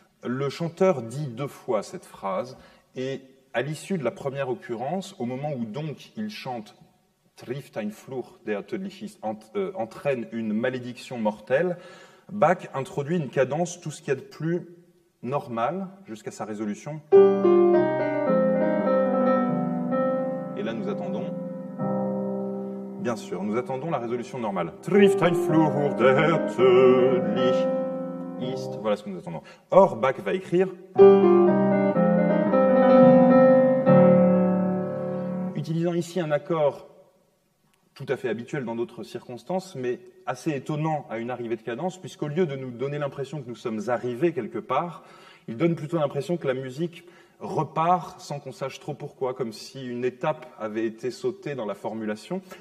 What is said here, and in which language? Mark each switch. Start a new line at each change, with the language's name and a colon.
French: Le chanteur dit deux fois cette phrase, et à l'issue de la première occurrence, au moment où donc il chante «
German: Trifft ein Fluch, der tödlich ist
French: » entraîne une malédiction mortelle, Bach introduit une cadence tout ce qu'il y a de plus normal jusqu'à sa résolution. Et là, nous attendons. Bien sûr, nous attendons la résolution normale.
German: Trifft ein Fluch, der tödlich ist.
French: Voilà ce que nous attendons. Or, Bach va écrire. Utilisant ici un accord tout à fait habituel dans d'autres circonstances, mais assez étonnant à une arrivée de cadence, puisqu'au lieu de nous donner l'impression que nous sommes arrivés quelque part, il donne plutôt l'impression que la musique repart sans qu'on sache trop pourquoi, comme si une étape avait été sautée dans la formulation.